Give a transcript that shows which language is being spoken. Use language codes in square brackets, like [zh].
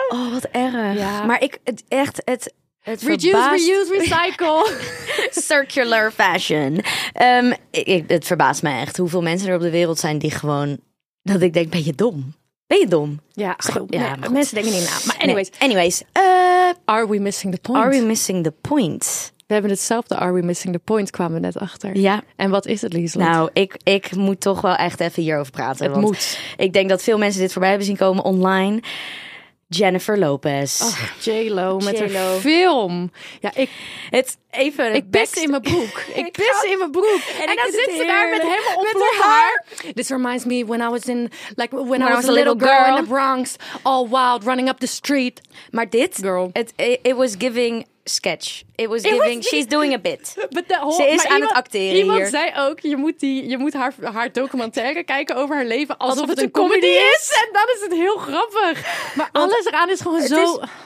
[nl] Oh, wat erg. Ja. Maar ik, het, echt, het [en] reduce, [nl] verbaast, [en] reuse, recycle. Circular fashion. [nl] Het verbaast me echt hoeveel mensen er op de wereld zijn die gewoon, dat ik denk, ben je dom? Ben je dom? Ja, ja, nee, mensen denken niet na. Maar anyways. Nee. Anyways. [en] Are we missing the point? Are we missing the point? [nl] We hebben hetzelfde. [en] Are we missing the point? [nl] Kwamen we net achter. Ja. En wat is het, Liesland? Nou, ik moet toch wel echt even hierover praten. Het moet. Ik denk dat veel mensen dit voorbij hebben zien komen online. Jennifer Lopez. Ach, J-Lo met haar film. Ja, Ik pis in mijn broek. Ik pis in mijn broek. En dan zit ze daar met helemaal op haar. Haar. [en] This reminds me when I was in, like when I was a little girl in the Bronx, all wild, running up the street. [nl] Maar dit, [en] girl, it was giving sketch. It was giving, she's doing a bit. [nl] Ze is aan het acteren hier. Iemand zei ook, je moet haar documentaire kijken over haar leven alsof het een comedy is. En dan is het heel grappig. Maar alles eraan is gewoon zo.